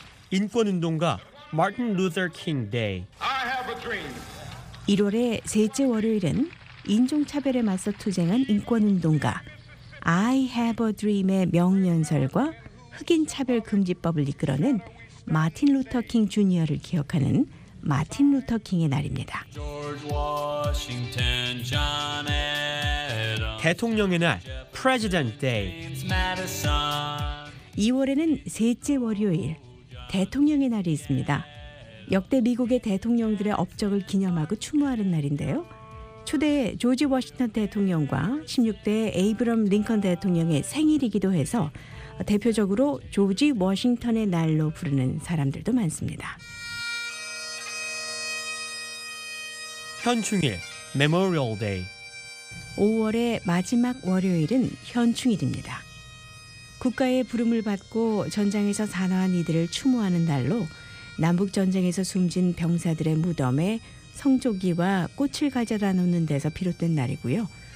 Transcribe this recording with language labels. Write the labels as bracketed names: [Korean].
[Korean] 인권운동가 Martin Luther King Day. [English] I have a dream. [Korean] 1월의 셋째 월요일은 인종차별에 맞서 투쟁한 인권운동가 [English] I have a dream [Korean] 의 명연설과 흑인차별금지법을 이끌어낸 마틴 루터 킹 주니어를 기억하는 마틴 루터 킹의 날입니다. 대통령의 날, President Day. 2월에는 셋째 월요일, 대통령의 날이 있습니다. 역대 미국의 대통령들의 업적을 기념하고 추모하는 날인데요. 초대 조지 워싱턴 대통령과 16대 에이브럼 링컨 대통령의 생일이기도 해서 대표적으로 조지 워싱턴의 날로 부르는 사람들도 많습니다. 현충일, Memorial Day. 5월의 마지막 월요일은 현충일입니다. 국가의 부름을 받고 전장에서 사나운 이들을 추모하는 날로 남북전쟁에서 숨진 병사들의 무덤에 성조기와 꽃을 가져다 놓는 데서 비롯된 날이고요.